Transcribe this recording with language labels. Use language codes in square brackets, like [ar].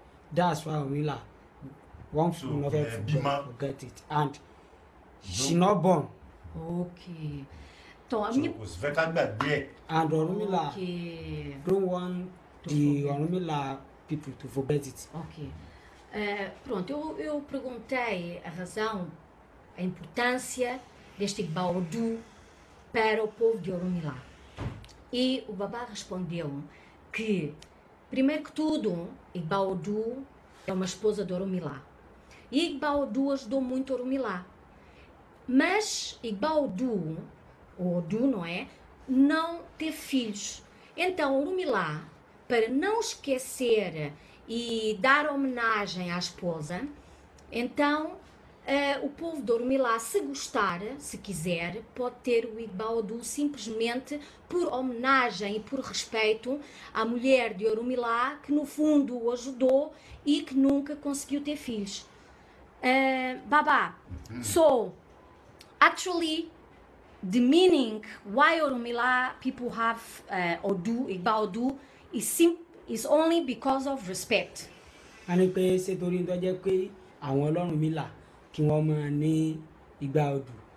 [en] That's why Orumila wants to not forget it. And she not born. Okay. And Orumila don't want the Orumila people to forget it. Okay. [pt] Pronto, eu perguntei a razão, a importância deste Igba Odu para o povo de Orumilá. E o Babá respondeu que, primeiro que tudo, Igba Odu é uma esposa de Orumilá. E Igba Odu ajudou muito Orumilá. Mas Igba Odu, ou Odu, não é? Não teve filhos. Então, Orumilá, para não esquecer e dar homenagem à esposa, então o povo de Orumilá, se gostar, se quiser, pode ter o Igba Odu simplesmente por homenagem e por respeito à mulher de Orumilá, que no fundo o ajudou e que nunca conseguiu ter filhos. [en] Babá, so, actually, the meaning why Orumilá people have Odu, Igba Odu, is simple. Is only because of respect. [yo] Ani pe se tori to je pe awon Olorun mi la ki won ma ni Igba Odu.